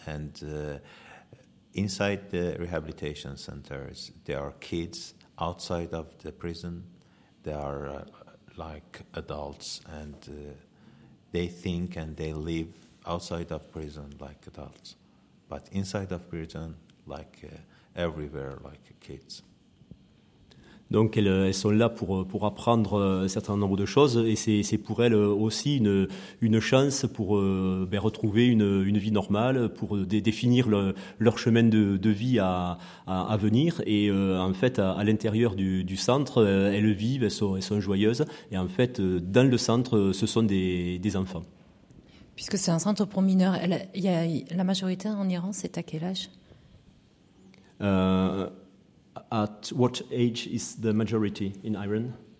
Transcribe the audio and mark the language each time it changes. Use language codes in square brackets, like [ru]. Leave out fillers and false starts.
[en] And inside the rehabilitation centers, there are kids. Outside of the prison, they are like adults, and they think and they live outside of prison like adults, but inside of prison, like everywhere, like kids. [fr] Donc elles sont là pour apprendre un certain nombre de choses, et c'est pour elles aussi une chance pour retrouver une vie normale, pour définir leur chemin de vie à venir. Et en fait, à l'intérieur du centre, elles vivent, elles sont joyeuses. Et en fait, dans le centre, ce sont des enfants. Puisque c'est un centre pour mineurs, la majorité en Iran, c'est à quel âge? [en] At what age is the majority in Iran?